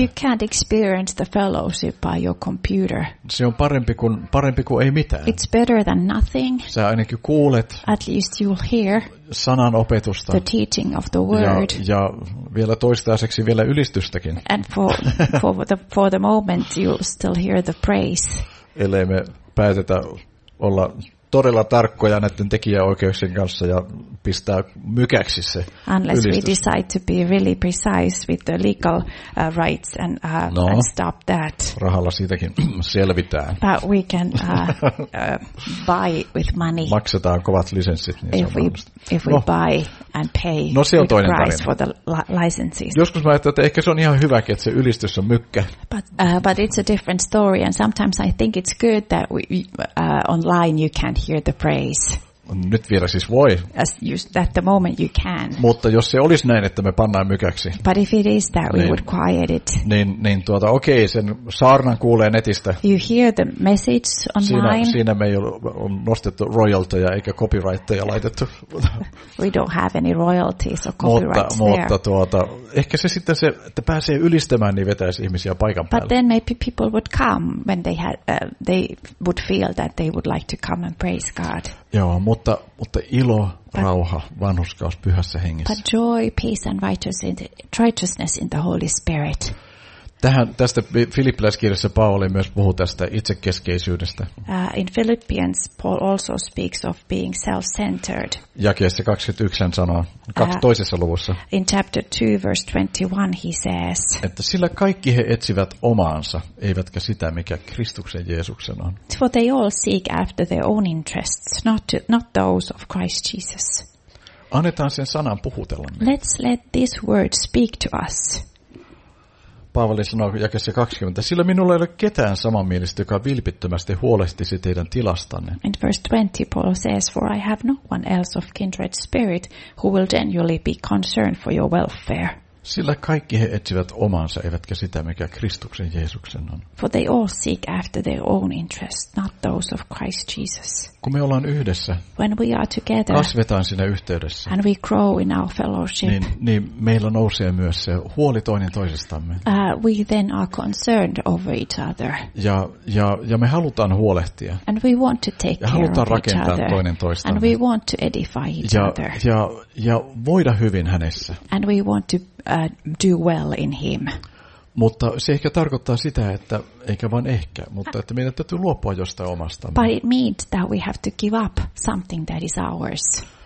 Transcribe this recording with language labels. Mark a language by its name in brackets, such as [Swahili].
[English] You can't experience the fellowship by your computer. [Finnish] Se on parempi kuin ei mitään. [English] It's better than nothing. [Finnish] Sä ainakin kuulet. [English] At least you'll hear. [Finnish] Sanan opetusta. [English] The teaching of the word. [Finnish] Ja vielä toistaiseksi vielä ylistystäkin. [English] And for the moment you'll still hear the praise. [Finnish] Ellei me päätetä olla todella tarkkoja näiden tekijäoikeuksien kanssa ja pistää mykäksi se [English] unless [Finnish] ylistys. [English] We decide to be really precise with the legal rights and stop that. [Finnish] Rahalla siitäkin selvitään. [English] But we can buy with money. [Finnish] Maksetaan kovat lisenssit. Niin [English] if we buy and pay [Finnish] no, se on toinen [English] price For the licenses. [Finnish] Joskus mä ajattelin, että ehkä se on ihan hyvä, että se ylistys on mykkä. [English] But it's a different story and sometimes I think it's good that online you can hear the praise. [Finnish] Nyt vielä siis voi. [English] At the moment you can. [Finnish] Mutta jos se olisi näin, että me pannaan mykäksi. [English] But if it is that, [Finnish] niin, [English] we would quiet it. [Finnish] Okei, sen saarnan kuulee netistä. [English] You hear the message online. [Finnish] Siinä me ei ole nostettu royaltoja eikä copyrightteja laitettu. [English] We don't have any royalties or copyrights [Finnish] mutta, [English] there. [Finnish] Mutta ehkä se sitten se, että pääsee ylistämään, niin vetäisi ihmisiä paikan päälle. [English] But then maybe people would come when they would feel that they would like to come and praise God. [Finnish] Joo, mutta ilo, rauha, vanhurskaus pyhässä hengessä. [English] But joy, peace and righteousness in the Holy Spirit. [Finnish] Tästä filippiläiskirjassa Pauli myös puhuu tästä itsekeskeisyydestä. [English] In Philippians Paul also speaks of being self-centered. [Finnish] Jakeessa 21 hän sanoo, toisessa luvussa. [English] In chapter 2 verse 21 he says. [Finnish] Että sillä kaikki he etsivät omaansa, eivätkä sitä mikä Kristuksen Jeesuksen on. [English] For they all seek after their own interests, not those of Christ Jesus. [Finnish] Annetaan sen sanan puhutella. [English] Let's let this word speak to us. [Finnish] Paavali sanoo jakeessa 20, sillä minulla ei ole ketään samanmielistä, joka vilpittömästi huolehtisi teidän tilastanne. [English] In verse 20 Paul says, for I have no one else of kindred spirit who will genuinely be concerned for your welfare. [Finnish] Sillä kaikki he etsivät omansa, eivätkä sitä, mikä Kristuksen Jeesuksen on. [English] For they all seek after their own interests, not those of Christ Jesus. [Finnish] Kun me ollaan yhdessä, [English] when we are together, [Finnish] kasvetaan siinä yhteydessä, [English] and we grow in our fellowship, [Finnish] niin meillä nousee myös se huoli toinen toisistamme. [English] We then are concerned over each other. [Finnish] Ja me halutaan huolehtia. [English] And we want to take [Finnish] ja halutaan rakentaa toinen toistamme. [English] And we want to edify each other. [Finnish] Ja voida hyvin hänessä. [English] And we want to do well in him. [Finnish] Mutta se ehkä tarkoittaa sitä, että eikä vain ehkä, mutta että meidän täytyy luopua jostain omastamme. [English] But it means that we have to give up something that is ours.